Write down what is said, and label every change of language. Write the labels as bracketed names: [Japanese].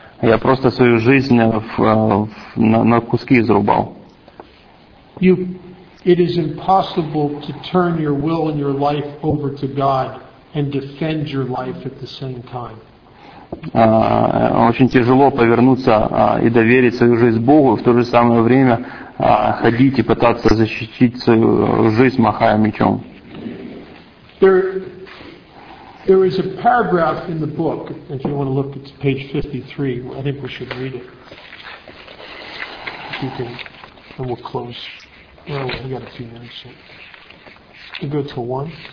[Russian] Я просто свою жизнь на куски изрубал. [English] It is impossible to turn your will and your life over to God and defend your life at the same time. [Russian] Очень тяжело повернуться и доверить свою жизнь Богу, в то же самое время ходить и пытаться защитить свою жизнь, махая мечом. [English] There is a paragraph in the book, if you want to look, it's page 53, I think we should read it. If you can, and we'll close. Well, we've got a few minutes. So. We go to one.